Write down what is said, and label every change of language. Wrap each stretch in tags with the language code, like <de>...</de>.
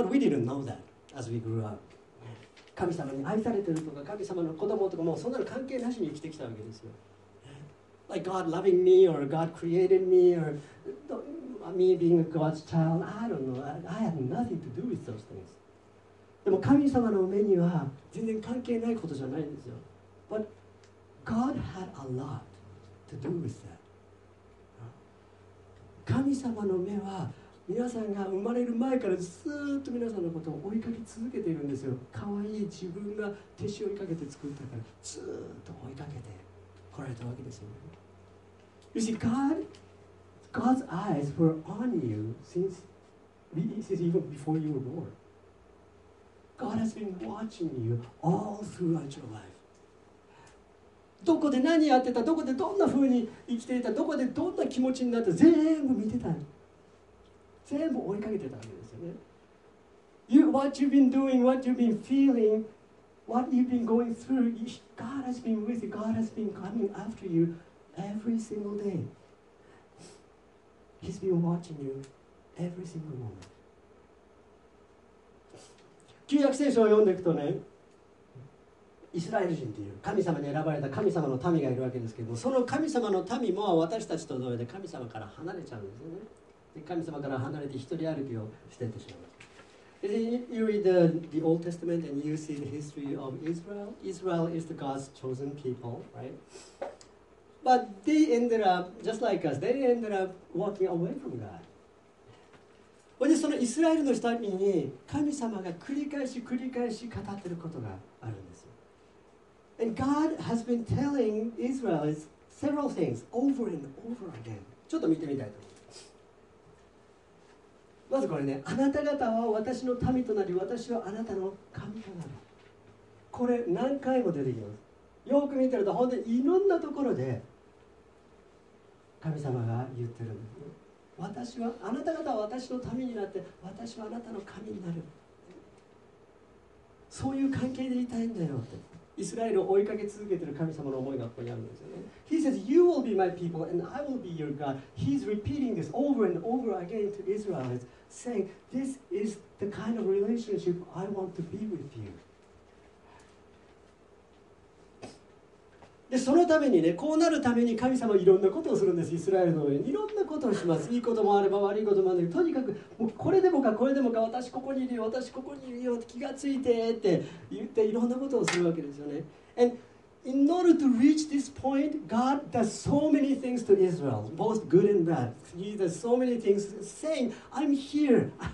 <en>But we didn't know that as we grew up.</en> <ja>神様に愛されてるとか、神様の子供とか、もうそんなの関係なしに生きてきたわけですよ。</ja> <en>Like God loving me, or God created me, or me being God's child. I don't know. I have nothing to do with those things.</en> <ja>でも神様の目には全然関係ないことじゃないんですよ。</ja> <en>But God had a lot to do with that.</en> <ja>神様の目は皆さんが生まれる前からずっと皆さんのことを追いかけ続けているんですよ。可愛い自分が手塩にかけて作ったからずっと追いかけて来られたわけですよ。</ja> <en>You see, God's eyes were on you since even before you were born. God has been watching you all throughout your life.</en> <ja>どこで何やってた、どこでどんな風に生きていた、どこでどんな気持ちになった、全部見てた。全部追いかけてたわけですよね。</ja> <en>What you've been doing, what you've been feeling, what you've been going through, God has been with you, God has been coming after you. Every single day, He's been watching you every single moment.</en> <ja>旧約聖書を読んでいくとね、イスラエル人という神様に選ばれた神様の民がいるわけですけども、その神様の民も私たちと同様で神様から離れちゃうんですよね。で、神様から離れて一人歩きをしていってしまう。</ja> <en>You read the Old Testament and you see the history of Israel. Israel is the God's chosen people, right? But they ended up, just like us, they ended up walking away from God.</en> <ja>そのイスラエルの人に神様が繰り返し繰り返し語っていることがあるんですよ。</ja> <en>And God has been telling Israel several things over and over again.</en> <ja>ちょっと見てみたいと思います。まずこれね、あなた方は私の民となり、私はあなたの神となる。これ何回も出てきます。よく見てると本当にいろんなところで神様が言ってるんです。私はあなた方は私の民になって、私はあなたの神になる。そういう関係でいたいんだよって、イスラエルを追いかけ続けている神様の思いがここにあるんですよね。</ja> <en>He says you will be my people and I will be your God. He's repeating this over and over again to Israel, saying this is the kind of relationship I want to be with you.</en> <ja>でそのためにね、こうなるために神様いろんなことをするんです。イスラエルの上にいろんなことをします。いいこともあれば悪いこともあれば、とにかくもうこれでもかこれでもか、私ここにいるよ、私ここにいるよって気がついてって言っていろんなことをするわけですよね。 And</ja> <en>In order to reach this point, God does so many things to Israel, both good and bad. He does so many things, saying, I'm here.</en>